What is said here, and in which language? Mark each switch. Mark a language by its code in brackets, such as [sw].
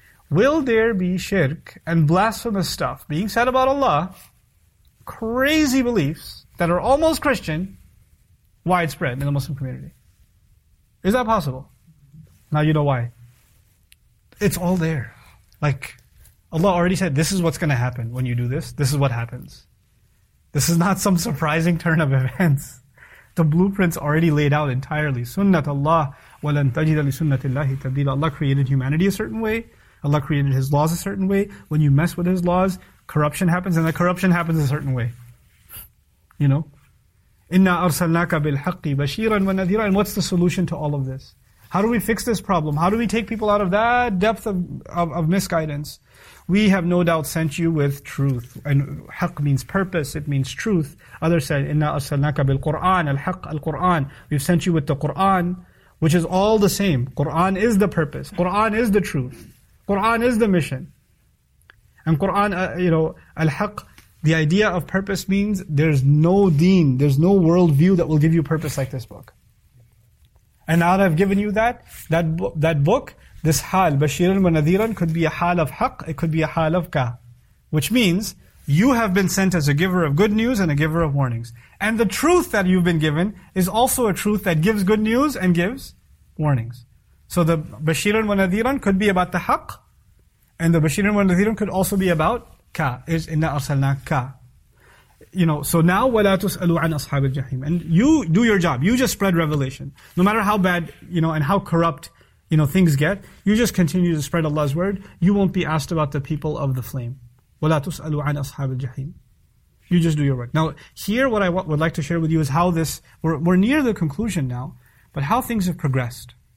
[en] Will there be shirk and blasphemous stuff being said about Allah, crazy beliefs that are almost Christian, widespread in the Muslim community? Is that possible? Now you know why. It's all there. Like, Allah already said, this is what's going to happen when you do this. This is what happens. This is not some surprising turn of events. The blueprint's already laid out entirely. [ar] Sunnat Allah, وَلَنْ تَجِدَ لِسُنَّةِ اللَّهِ تَبْدِيلًا. [en] Allah created humanity a certain way. Allah created His laws a certain way. When you mess with His laws, corruption happens, and the corruption happens a certain way. You know? [ar] إِنَّا أَرْسَلْنَاكَ بِالْحَقِّ بَشِيرًا وَنَذِيرًا. [en] And what's the solution to all of this? How do we fix this problem? How do we take people out of that depth of misguidance? We have no doubt sent you with truth. And haqq means purpose, it means truth. Others said, [ar] إِنَّا أَرْسَلْنَاكَ بِالْقُرْآنِ الْحَقِّ الْقُرْآنِ. [en] We've sent you with the Qur'an, which is all the same. Qur'an is the purpose. Qur'an is the truth. Qur'an is the mission. And Qur'an, you know, الْحَقِّ, the idea of purpose means there's no deen, there's no worldview that will give you purpose like this book. And now that I've given you that book, this hal, [ar] bashiran wa nadhiran, [en] could be a hal of haqq, it could be a hal of ka. Which means, you have been sent as a giver of good news and a giver of warnings. And the truth that you've been given is also a truth that gives good news and gives warnings. So the [ar] bashiran wa nadhiran [en] could be about the haqq, and the bashiran wa nadhiran could also be about ka. [ar] Is inna arsalna ka. [en] you know, so now [ar] وَلَا تُسْأَلُوا عَنْ أَصْحَابِ الْجَحِيمِ. [en] And you do your job. You just spread revelation. No matter how bad, you know, and how corrupt, you know, things get, you just continue to spread Allah's word. You won't be asked about the people of the flame. [ar] وَلَا تُسْأَلُوا عَنْ أَصْحَابِ الْجَحِيمِ. [en] You just do your work. Now, here what I would like to share with you is how this, we're near the conclusion now, but how things have progressed.